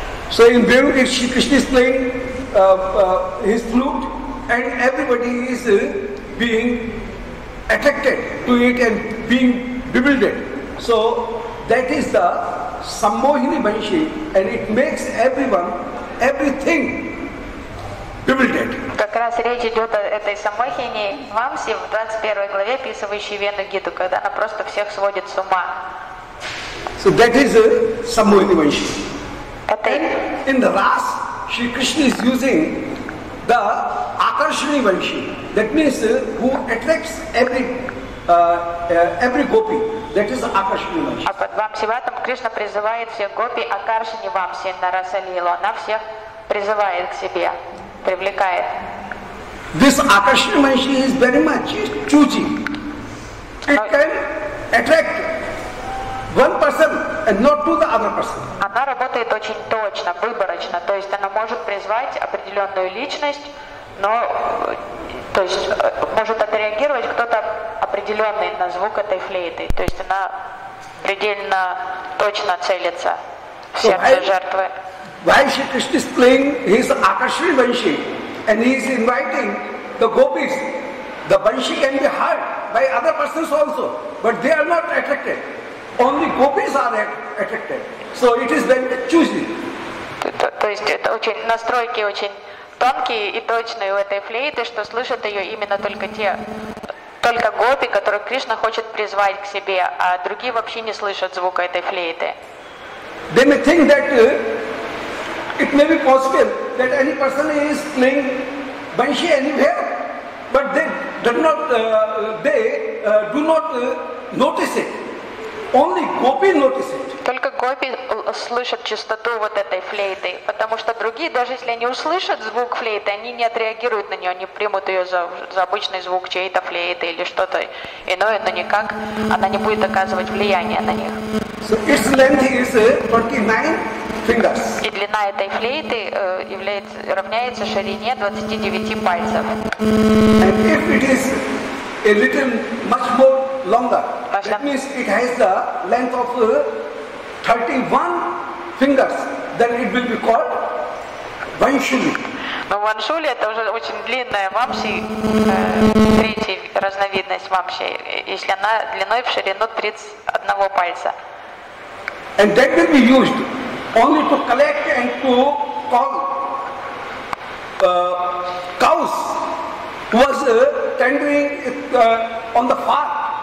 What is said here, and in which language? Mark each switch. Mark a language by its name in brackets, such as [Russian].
[English] So in Вируди Шри Кришна is playing his flute and everybody is being attracted to it and being bewildered. So that is the Sammohini Banshi and it makes everyone, everything bewildered. [Russian] Как раз речь идет о этой Саммохини Вамси в 21 главе, описывающей Вену Гиту, когда она просто всех сводит с ума. [English] So that is Sammohini Banshi. [Russian] Это... [English] In the Ras, Shri Krishna is using the Akarshani Banshi. That means who attracts every every gopi, that is Akarshini Vamsi. [Russian] А под Вамсиватом Кришна призывает всех гопи Акаршини Вамси на Расалилу. Она всех призывает к себе, привлекает. [English] This Akarshini Vamsi is very much choosy. It can attract one person and not to the other person. [Russian] Она работает очень точно, выборочно. То есть она может призвать определенную личность, но, то есть, может отреагировать кто-то определенный на звук этой флейты. То есть она предельно точно целится в сердце жертвы. [English] Why Shri Krishna is playing his Akarshini Vamsi and he is inviting the gopis? The Vamsi can be heard by other persons also, but they are not attracted. Only gopis are attracted. So it is very choosy. [Russian] То есть это очень настройки очень тонкие и точные у этой флейты, что слышат ее именно только те, только гопи, которых Кришна хочет призвать к себе, а другие вообще не слышат звука этой флейты. [English] They may think that it may be possible that any person is playing banshee anywhere, but they do not notice it. Only gopi notice it. [Russian] Только гопи слышат частоту вот этой флейты, потому что другие, даже если они услышат звук флейты, они не отреагируют на нее, они примут ее за обычный звук чьей-то флейты или что-то иное, но никак она не будет оказывать влияние на них. [English] So its length is 29 fingers. [Russian] И длина этой флейты равняется ширине 29 пальцев. [English] And if it is a little much more longer, that means it has the length of 31 fingers, then it will be called Vanshuli. [Russian] Но Vanshuli это уже очень длинная вамши, третья разновидность вамши, если она длиной в ширину 31 пальца. [English] And that will be used only to collect and to call cows who was tending on the farm.